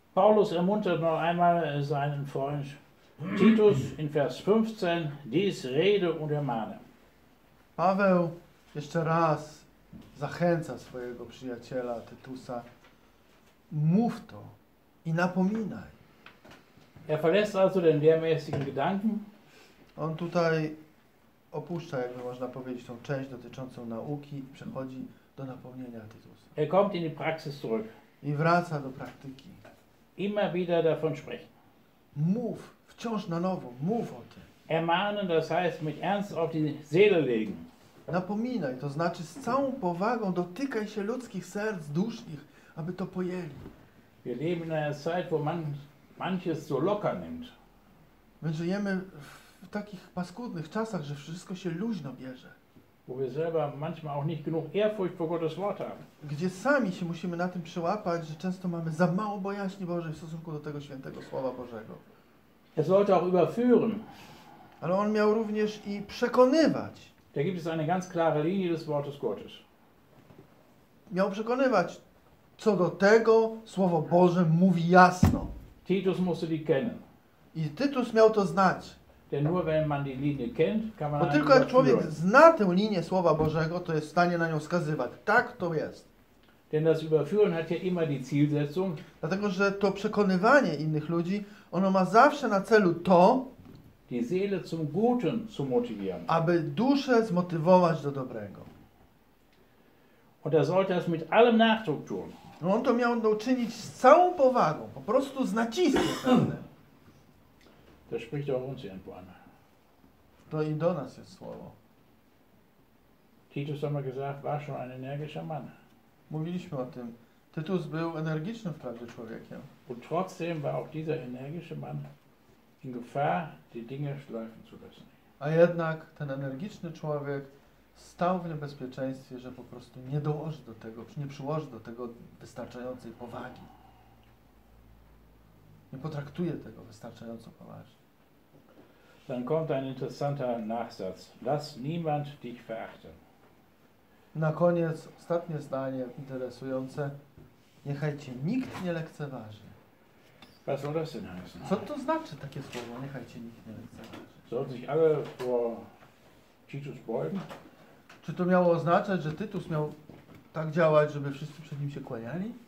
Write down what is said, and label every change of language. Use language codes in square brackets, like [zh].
[de] Paulus ermuntert noch einmal seinen Freund Titus in Vers 15, dies rede und ermahne. [pl] Paweł jeszcze raz zachęca swojego przyjaciela Tytusa, mów to i napominaj. [de] Er verlässt also den lehrmäßigen Gedanken. [pl] On tutaj opuszcza, jakby można powiedzieć, tą część dotyczącą nauki i przechodzi do napomnienia Tytusa. [de] Er kommt in die Praxis zurück. [pl] I wraca do praktyki. [de] Immer wieder davon sprechen. [pl] Mów, wciąż na nowo, mów o tym. [de] Ermahnen, das heißt mit Ernst auf die Seele legen. [pl] Napominaj, to znaczy z całą powagą dotykaj się ludzkich serc, dusz ich, aby to pojęli. [de] Wir leben in einer Zeit, wo manches so locker nimmt. [pl] My żyjemy w takich paskudnych czasach, że wszystko się luźno bierze. [de] Wo wir selber manchmal auch nicht genug Ehrfurcht vor Gottes Wort haben. [pl] Gdzie sami się musimy na tym przyłapać, że często mamy za mało bojaźni Bożej w stosunku do tego świętego Słowa Bożego. [de] Er sollte auch überführen. [pl] Ale on miał również i przekonywać. [de] Da gibt es eine ganz klare Linie des Wortes Gottes. [pl] Miał przekonywać, co do tego Słowo Boże mówi jasno. [de] Titus musste die kennen. [pl] I Tytus miał to znać. [de] Denn nur wenn man die Linie kennt, kann man [pl] bo tylko jak człowiek zna tę linię Słowa Bożego, to jest w stanie na nią wskazywać. Tak to jest. [de] Denn das Überführen hat ja immer die Zielsetzung. [pl] Dlatego, że to przekonywanie innych ludzi, ono ma zawsze na celu to, [de] die Seele zum Guten zu motivieren. [pl] Aby duszę zmotywować do dobrego. [de] Und er sollte das mit allem Nachdruck tun. [pl] No on to miał uczynić z całą powagą, po prostu z naciskiem. [de] Das spricht auch uns irgendwo an. [pl] To i do nas jest słowo. [de] Titus hat mal gesagt, war schon ein energischer Mann. [pl] Mówiliśmy o tym. Tytus był energicznym wprawdzie człowiekiem. [de] Und trotzdem war auch dieser energische Mann in Gefahr, die Dinge schleifen zu lassen. [pl] A jednak ten energiczny człowiek stał w niebezpieczeństwie, że po prostu nie dołoży do tego, nie przyłoży do tego wystarczającej powagi. Nie potraktuje tego wystarczająco poważnie. [de] Dann kommt ein interessanter Nachsatz. Lass niemand dich verachten. [pl] Na koniec, ostatnie zdanie interesujące. Niechaj cię nikt nie lekceważy. [de] Was soll das denn heißen? [pl] Co to znaczy takie słowo? Niechaj cię nikt nie lekceważy. [de] Sollten sich alle vor Titus beugen? [pl] Czy to miało oznaczać, że Tytus miał tak działać, żeby wszyscy przed nim się kłaniali?